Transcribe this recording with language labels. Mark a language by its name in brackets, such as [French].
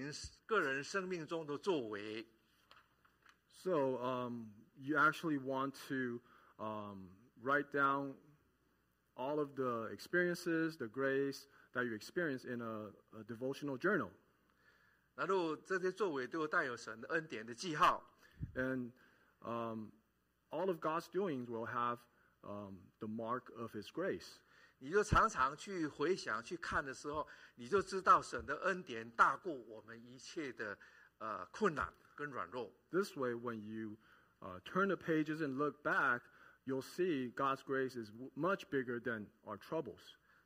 [Chinese] 我们来看观看神的作为那一片哈。所以你要写灵修日记，记住神在我们个人生命中的作为。 [English] So you actually want to write down all of the experiences, the grace that you experience in a devotional journal. [Chinese] 然后这些作为都带有神恩典的记号。 [English] And all of God's doings will have the mark of His grace. [Chinese] 你就常常去回想去看的时候，你就知道神的恩典大过我们一切的困难跟软弱。 [English] This way, when you turn the pages and look back, you'll see God's grace is much bigger than our troubles.